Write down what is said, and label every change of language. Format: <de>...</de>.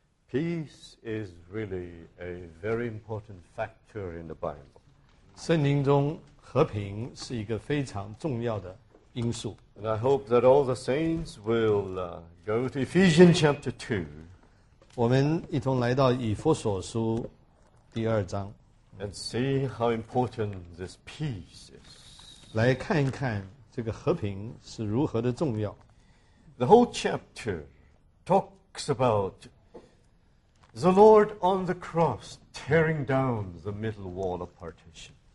<en>Peace is really a very important factor in the Bible.</en> <zh>圣经中和平是一个非常重要的因素。</zh> <en>And I hope that all the saints will go to Ephesians chapter 2.</en> <zh>我们一同来到以弗所书第二章。</zh> <en>And see how important this peace is.</en> <zh>来看一看这个和平是如何的重要。</zh> <en>The whole chapter talks about the Lord on the cross tearing down the middle wall of partition.</en>